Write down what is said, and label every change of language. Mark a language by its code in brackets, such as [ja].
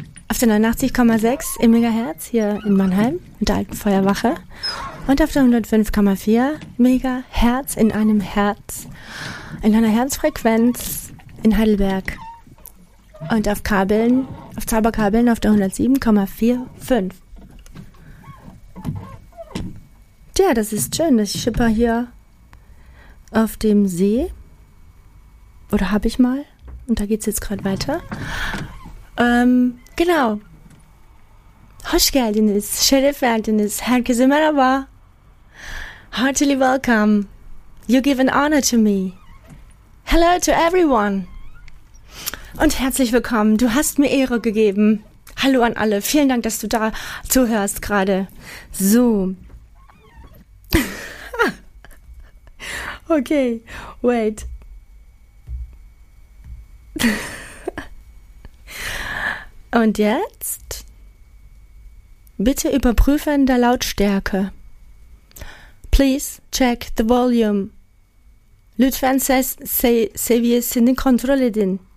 [de] Auf der 89,6 im Megahertz hier in Mannheim mit der alten Feuerwache und auf der 105,4 Megahertz in einem Herz, in einer Herzfrequenz in Heidelberg und auf Kabeln, auf Zauberkabeln auf der 107,45. Tja, das ist schön, ich schippe hier auf dem See oder habe ich mal und da geht's jetzt gerade weiter. Genau. [tr] Hoş geldiniz, şeref verdiniz, herkese merhaba. [en] Heartily welcome. You give an honor to me. Hello to everyone. [de] Und herzlich willkommen, du hast mir Ehre gegeben. Hallo an alle, vielen Dank, dass du da zuhörst gerade. So. [en] Okay, wait. [de] Und jetzt? Bitte überprüfen der Lautstärke. [en] Please check the volume. [tr] Lütfen ses seviyesini kontrol edin.